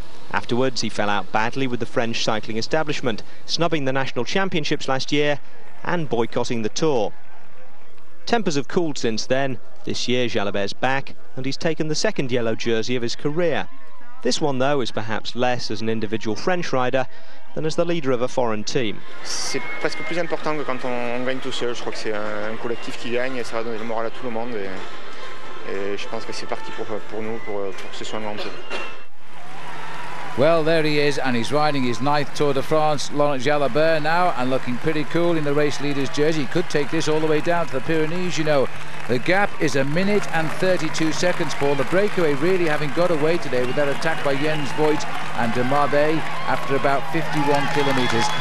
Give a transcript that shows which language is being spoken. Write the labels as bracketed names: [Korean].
[English] Afterwards, he fell out badly with the French cycling establishment, snubbing the national championships last year and boycotting the Tour. Tempers have cooled since then. This year, Jalabert's back, and he's taken the second yellow jersey of his career. This one, though, is perhaps less as an individual French rider than as the leader of a foreign team. [French] C'est presque plus important que quand on gagne tout seul. Je crois que c'est un collectif qui gagne et ça va donner le moral à tout le monde. Et je pense que c'est parti pour nous pour que ce soit un grand jeu. [English] Well, there he is, and he's riding his ninth Tour de France, Laurent Jalabert now, and looking pretty cool in the race leader's jersey. He could take this all the way down to the Pyrenees, you know. The gap is a minute and 32 seconds, Paul. The breakaway really having got away today with that attack by Jens Voigt and Demarbe after about 51 kilometres.